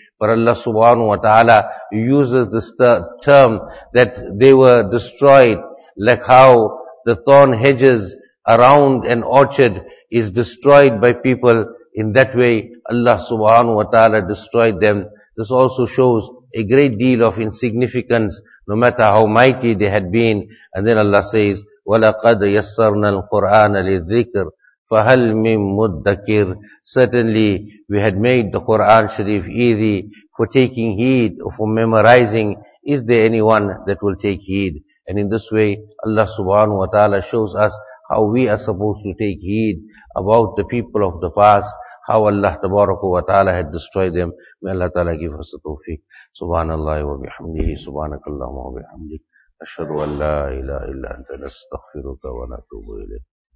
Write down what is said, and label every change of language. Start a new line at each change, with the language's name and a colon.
English: But Allah subhanahu wa ta'ala uses this term that they were destroyed, like how the thorn hedges around an orchard is destroyed by people. In that way, Allah subhanahu wa ta'ala destroyed them. This also shows a great deal of insignificance, no matter how mighty they had been.
Arabic: And then Allah says, وَلَقَدْ يَسَّرْنَا الْقُرْآنَ لِلذِّكْرِ فَهَلْ مِن مُدَّكِرْ.
English: Certainly, we had made the Qur'an Sharif easy for taking heed or for memorizing. Is there anyone that will take heed? And in this way, Allah subhanahu wa ta'ala shows us how we are supposed to take heed about the people of the past, how Allah tabaraka wa ta'ala had destroyed them. May Allah ta'ala give us the tawfiq.
Arabic: Subhanallah wa bihamdihi, subhanakallahumma wa bihamdihi. أشهد أن لا إله إلا أنت نستغفرك ونتوب إليك.